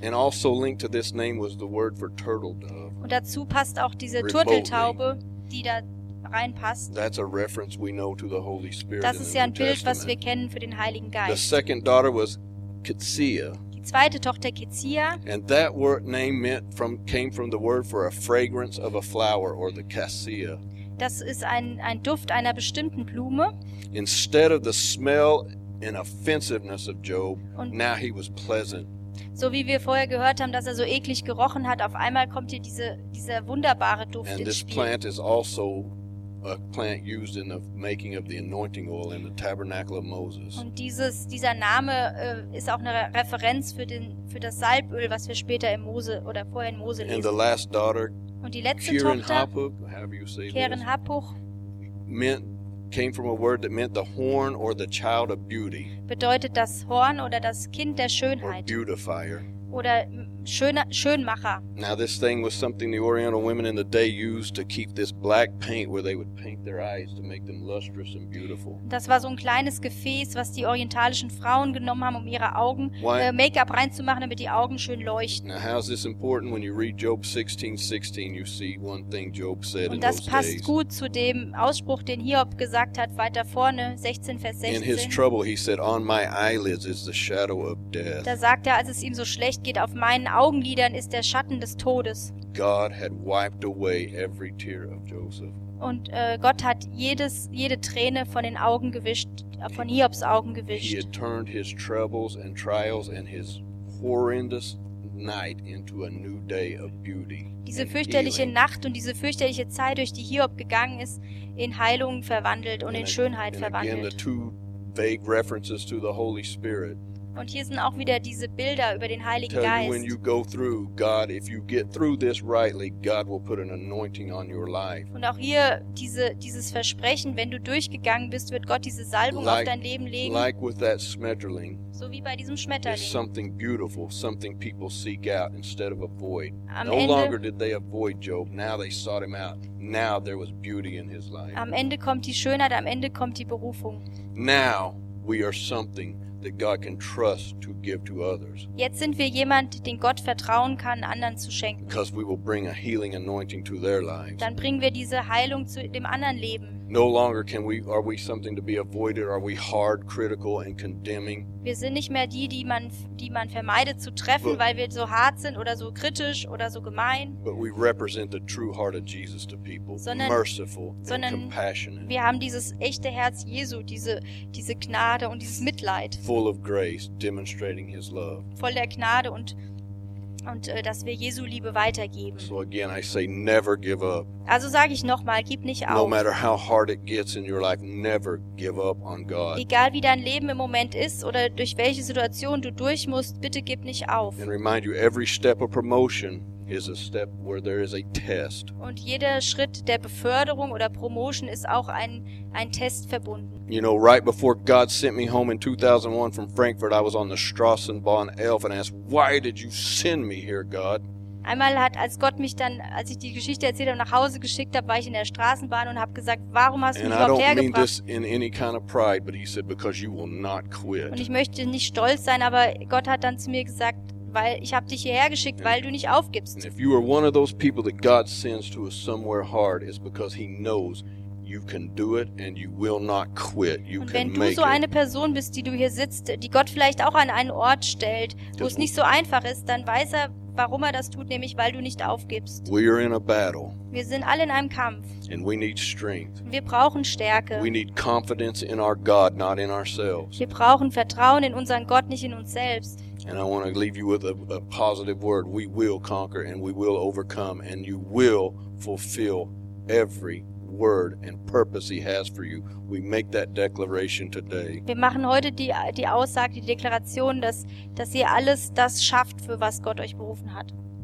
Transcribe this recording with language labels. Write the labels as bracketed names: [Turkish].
[English] And also linked to this name was the word for turtle dove. [German] Und dazu passt auch diese Turteltaube, die da reinpasst. [English] That's a reference we know to the Holy Spirit. [German] Das ist ja ein Bild, was wir kennen für den Heiligen Geist. [English] The second daughter was Kitzia. [German] Die zweite Tochter Kitzia. [English] And that word name meant from came from the word for a fragrance of a flower or the cassia. [German] Das ist ein Duft einer bestimmten Blume. [English] Instead of the smell and offensiveness of Job, und now he was pleasant. [German] So wie wir vorher gehört haben, dass er so eklig gerochen hat, auf einmal kommt hier dieser wunderbare Duft ins Spiel. [English] And this plant is also a plant used in the making of the anointing oil in the tabernacle of Moses. [German] Und dieser Name ist auch eine Referenz für das Salböl, was wir später in Mose oder vorher in Mose lesen. [English] And the last daughter, [German] und die letzte Keren Tochter, [English] Keren Hapuch, came from a word that meant the horn or the child of beauty. [German] Bedeutet das Horn oder das Kind der Schönheit. [English] Or beautifier. [German] Oder Schönmacher. [English] Now this thing was something the Oriental women in the day used to keep this black paint where they would paint their eyes to make them lustrous and beautiful. [German] Das war so ein kleines Gefäß, was die orientalischen Frauen genommen haben, um ihre Augen Make-up reinzumachen, damit die Augen schön leuchten. [English] Now how is this important when you read Job 16:16? You see one thing Job said in those days. [German] Und das passt gut zu dem Ausspruch, den Hiob gesagt hat, weiter vorne, 16:16. [English] In his trouble he said, on my eyelids is the shadow of death. [German] Da sagt er, als es ihm so schlecht geht, auf meinen Augenlidern ist der Schatten des Todes. [English] God had wiped away every tear of Joseph. [German] Und Gott hat jede Träne von den Augen gewischt, von Hiobs Augen gewischt. [English] He had turned his troubles and trials and his horrendous night into a new day of beauty. [German] Diese fürchterliche Nacht und diese fürchterliche Zeit, durch die Hiob gegangen ist, in Heilung verwandelt und in Schönheit verwandelt. [English] And again, the two vague references to the Holy Spirit. [German] Und hier sind auch wieder diese Bilder über den Heiligen Geist. [English] Tell you, when you go through, God, if you get through this rightly, God will put an anointing on your life. [German] Und auch hier dieses Versprechen, wenn du durchgegangen bist, wird Gott diese Salbung auf dein Leben legen. [English] Like with that smetterling. [German] So wie bei diesem Schmetterling. [English] It's something beautiful, something people seek out instead of avoid. No longer did they avoid Job. Now they sought him out. Now there was beauty in his life. [German] Am Ende kommt die Schönheit, am Ende kommt die Berufung. [English] Now we are something that God can trust to give to others. [German] Jetzt sind wir jemand, den Gott vertrauen kann, anderen zu schenken. [English] Because we will bring a healing anointing to their lives. [German] Dann bringen wir diese Heilung zu dem anderen Leben. [English] No longer are we something to be avoided? Are we hard, critical, and condemning? [German] Wir sind nicht mehr die man vermeidet zu treffen, weil wir so hart sind oder so kritisch oder so gemein. [English] But we represent the true heart of Jesus to people, merciful and compassionate. [German] Wir haben dieses echte Herz Jesu, diese Gnade und dieses Mitleid. [English] Full of grace, demonstrating His love. [German] Voll der Gnade und und dass wir Jesu Liebe weitergeben. [English] So again, I say, never give up. [German] Also sage ich nochmal, gib nicht auf. [English] No matter how hard it gets in your life, never give up on God. [German] Egal wie dein Leben im Moment ist oder durch welche Situation du durch musst, bitte gib nicht auf. [English] And remind you, every step of promotion is a step where there is a test. [German] Und jeder Schritt der Beförderung oder Promotion ist auch ein Test verbunden. [English] You know, right before God sent me home in 2001 from Frankfurt, I was on the Straßenbahn 11 and asked, "Why did you send me here, God?" [German] Einmal hat, als Gott mich dann, als ich die Geschichte erzählt habe, nach Hause geschickt habe, war ich in der Straßenbahn und habe gesagt, warum hast du mich überhaupt hergebracht? [English] And I don't mean this in any kind of pride, but he said, "Because you will not quit." [German] Und ich möchte nicht stolz sein, aber Gott hat dann zu mir gesagt, weil ich habe dich hierher geschickt, weil du nicht aufgibst. [English] And if you are one of those people that God sends to a somewhere hard, it's because He knows you can do it and you will not quit. You can make it. [German] Und wenn du so eine Person bist, die du hier sitzt, die Gott vielleicht auch an einen Ort stellt, wo es nicht so einfach ist, dann weiß er, warum er das tut, nämlich weil du nicht aufgibst. [English] We are in a battle. [German] Wir sind alle in einem Kampf. [English] And we need strength. [German] Wir brauchen Stärke. [English] We need confidence in our God, not in ourselves. [German] Wir brauchen Vertrauen in unseren Gott, nicht in uns selbst. [English] And I want to leave you with a positive word. We will conquer and we will overcome and you will fulfill every word and purpose He has for you. We make that declaration today. [German] Wir machen heute die Aussage, die Deklaration, dass ihr alles das schafft, für was Gott euch berufen hat.